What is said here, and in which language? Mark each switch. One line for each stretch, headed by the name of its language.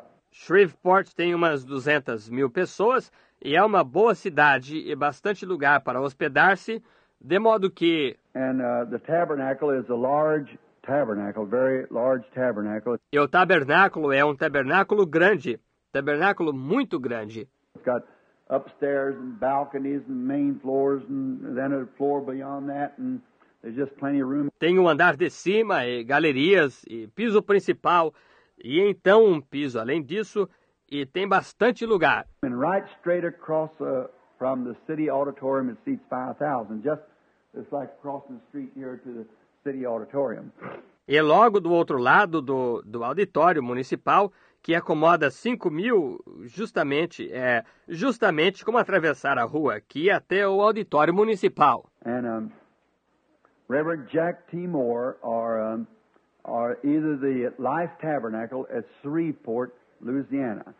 Portuguese: Shreveport tem umas 200 mil pessoas e é uma boa cidade e bastante lugar para hospedar-se, de modo que...
English: And the tabernacle is a large tabernacle, very large tabernacle.
Portuguese: E o tabernáculo é um tabernáculo grande, tabernáculo muito grande.
English: It's got upstairs and balconies and main floors and then a floor beyond that and there's just plenty of room.
Portuguese: Tem um andar de cima e galerias e piso principal. E então um piso além disso, e tem bastante lugar.
English: And right straight across from the city auditorium, it seats 5,000. Just, it's like crossing the street here to the city auditorium.
Portuguese: E logo do outro lado do auditório municipal, que acomoda 5 mil, justamente, é justamente como atravessar a rua aqui até o auditório municipal.
English: And Reverend Jack T. Moore, or either the Life Tabernacle at Shreveport, Louisiana.